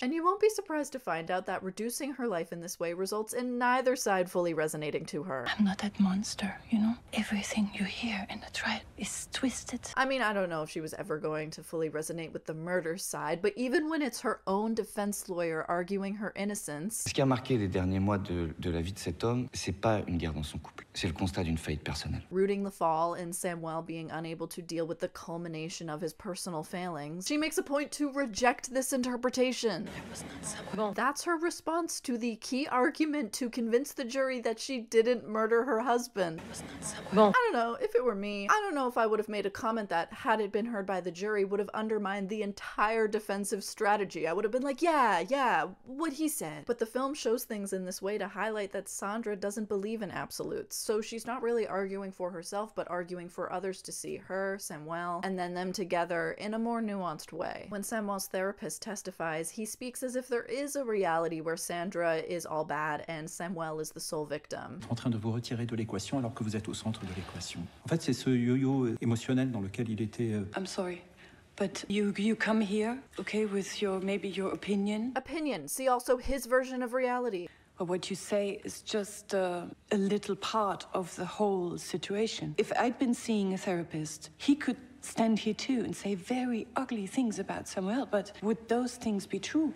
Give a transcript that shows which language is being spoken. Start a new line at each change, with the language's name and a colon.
English: And you won't be surprised to find out that reducing her life in this way results in neither side fully resonating to her. I'm not that monster, you know? Everything you hear in the trial is twisted. I mean, I don't know if she was ever going to fully resonate with the murder side, but even when it's her own defense lawyer arguing her innocence...
French: Ce qui a marqué les derniers mois de la vie de cet homme, c'est pas une guerre dans son couple. C'est le constat d'une faillite personnelle.
English: Rooting the fall in Samuel being unable to deal with the culmination of his personal failings, she makes a point to reject this interpretation. That's her response to the key argument to convince the jury that she didn't murder her husband. I don't know, if it were me, I don't know if I would have made a comment that, had it been heard by the jury, would have undermined the entire defensive strategy. I would have been like, yeah, yeah, what he said. But the film shows things in this way to highlight that Sandra doesn't believe in absolutes. So she's not really arguing for herself, but arguing for others to see her, Samuel, and then them together in a more nuanced way. When Samuel's therapist testifies, he speaks as if there is a reality where Sandra is all bad and Samuel is the sole victim.
French: En train de vous retirer de l'équation alors que vous êtes au centre de l'équation. En fait, c'est ce yo-yo émotionnel dans lequel il était...
English: I'm sorry. But you come here, okay, with your opinion? Opinion. See also his version of reality. But what you say is just a little part of the whole situation. If I'd been seeing a therapist, he could stand here too and say very ugly things about Samuel, but would those things be true?